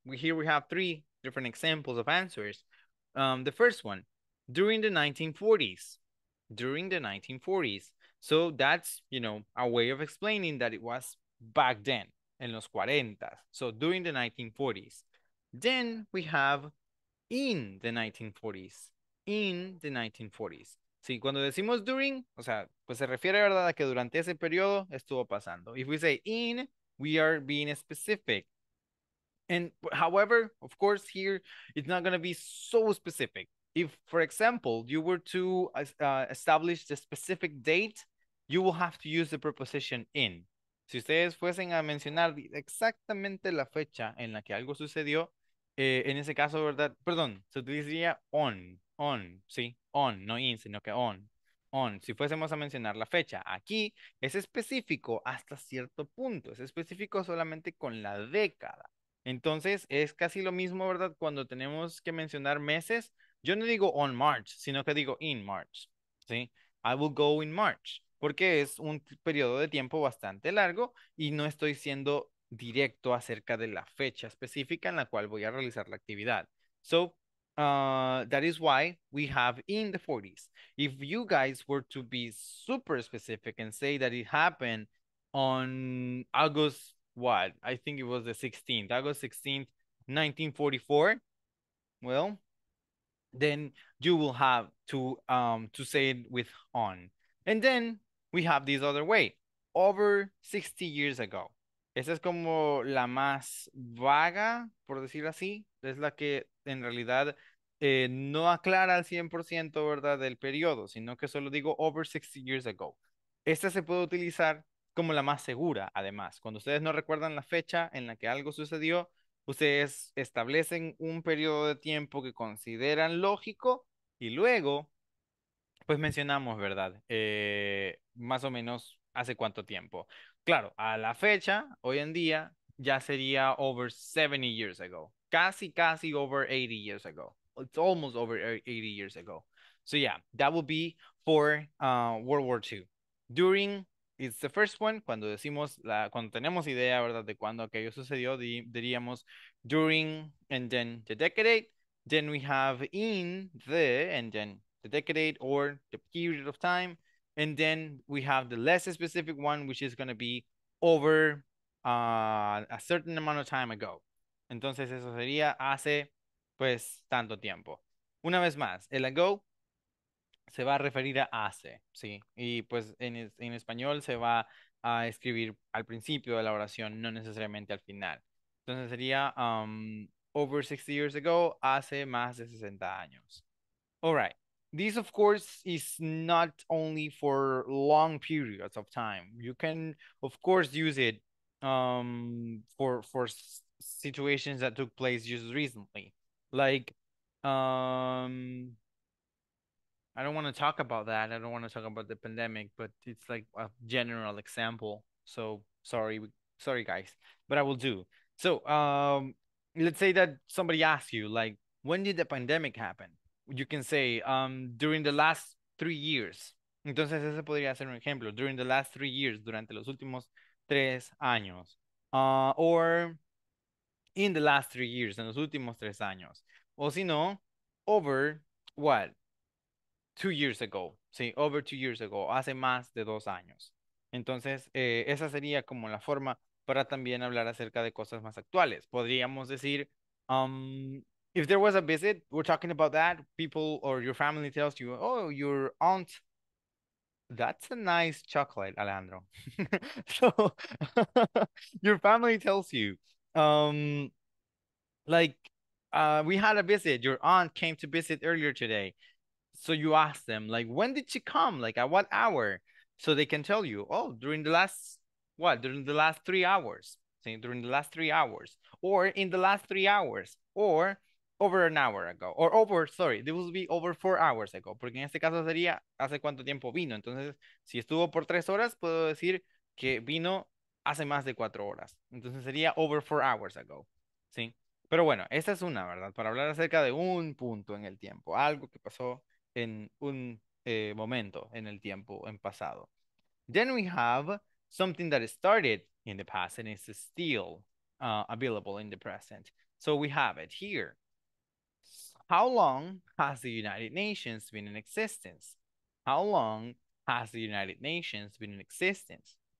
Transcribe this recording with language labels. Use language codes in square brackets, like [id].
[en] Here we have three different examples of answers. The first one, during the 1940s. During the 1940s. So that's, you know, a way of explaining that it was back then. [es] En los 40s, [en] so during the 1940s. Then we have in the 1940s, in the 1940s. [es] Sí, cuando decimos during, o sea, pues se refiere, ¿verdad?, a que durante ese periodo estuvo pasando. [en] If we say in, we are being specific. And however, of course, here, it's not going to be so specific. If, for example, you were to establish the specific date, you will have to use the preposition in. [es] Si ustedes fuesen a mencionar exactamente la fecha en la que algo sucedió, en ese caso, ¿verdad? Perdón, se utilizaría on, ¿sí? On, no in, sino que on. Si fuésemos a mencionar la fecha, aquí es específico hasta cierto punto, es específico solamente con la década. Entonces, es casi lo mismo, ¿verdad? Cuando tenemos que mencionar meses, yo no digo [en] on March, [es] sino que digo [en] in March, [es] ¿sí? [en] I will go in March. [es] Porque es un periodo de tiempo bastante largo y no estoy siendo directo acerca de la fecha específica en la cual voy a realizar la actividad. [en] So, that is why we have in the 40s. If you guys were to be super specific and say that it happened on August, what? I think it was the 16th, August 16th, 1944. Well, then you will have to say it with on. And then we have this other way, over 60 years ago. [es] Esa es como la más vaga, por decir así. Es la que en realidad no aclara al 100%, ¿verdad?, del periodo, sino que solo digo [en] over 60 years ago. [es] Esta se puede utilizar como la más segura, además. Cuando ustedes no recuerdan la fecha en la que algo sucedió, ustedes establecen un periodo de tiempo que consideran lógico y luego, pues mencionamos, ¿verdad?, más o menos hace cuánto tiempo. Claro, a la fecha, hoy en día, ya sería [en] over 70 years ago. [es] Casi, casi [en] over 80 years ago. It's almost over 80 years ago. So yeah, that would be for World War II. During is the first one, [es] cuando decimos, cuando tenemos idea, ¿verdad?, de cuándo aquello sucedió, diríamos [en] during and then the decade. Then we have in the and then the decade or the period of time. And then we have the less specific one, which is going to be over a certain amount of time ago. [es] Entonces, eso sería hace, pues, tanto tiempo. Una vez más, el ago se va a referir a hace, ¿sí? Y pues en español se va a escribir al principio de la oración, no necesariamente al final. Entonces sería [en] over 60 years ago, [es] hace más de 60 años. [en] All right. This, of course, is not only for long periods of time. You can, of course, use it for situations that took place just recently. Like, I don't want to talk about that. I don't want to talk about the pandemic, but it's like a general example. So, sorry, guys, but I will do. So, let's say that somebody asks you, like, when did the pandemic happen? You can say, during the last 3 years. [es] Entonces, ese podría ser un ejemplo. [en] During the last 3 years, [es] durante los últimos 3 años. [en] Or in the last 3 years, [es] en los últimos 3 años. O si no, [en] over, what? 2 years ago. [es] Sí, [en] over 2 years ago. [es] Hace más de 2 años. Entonces, esa sería como la forma para también hablar acerca de cosas más actuales. Podríamos decir, [en] if there was a visit, we're talking about that, people or your family tells you, oh, your aunt, that's a nice chocolate, Alejandro. So, your family tells you, we had a visit, your aunt came to visit earlier today. So you ask them, like, when did she come? Like, at what hour? So they can tell you, oh, during the last, what, during the last 3 hours. Say, during the last 3 hours, or in the last 3 hours, or over an hour ago, or over, sorry, this will be over 4 hours ago, [es] porque en este caso sería hace cuánto tiempo vino. Entonces, si estuvo por 3 horas, puedo decir que vino hace más de 4 horas. Entonces, sería [en] over 4 hours ago, [es] ¿sí? Pero bueno, esta es una, ¿verdad? Para hablar acerca de un punto en el tiempo, algo que pasó en un momento en el tiempo en pasado. [en] Then we have something that started in the past and is still available in the present. So we have it here. How long has the United Nations been in existence? How long has the United Nations been in existence?